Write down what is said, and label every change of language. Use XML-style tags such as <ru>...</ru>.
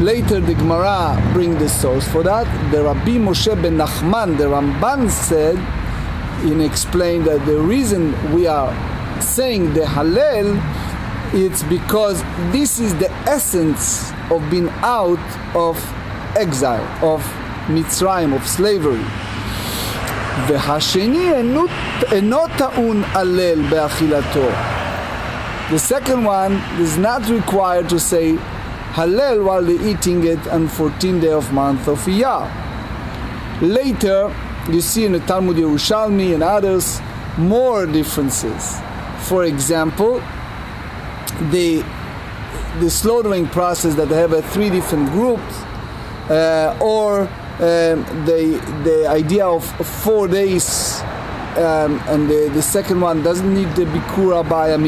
<en>Later the Gemara bring the source for that. The Rabbi Moshe ben Nachman, the Ramban said, in explained that the reason we are saying the Hallel, it's because this is the essence of being out of exile, of Mitzrayim, of slavery.</en> <he>והשני אינו טעון הלל באכילתו.</he> <en>The second one is not required to say הלל while they're eating it on 14 day of month of Iyar. Later, you see in the Talmud Yerushalmi and others, more differences. For example, the slaughtering process that they have at three different groups, the idea of 4 days, and the second one doesn't need the Bikur Abaye.</en>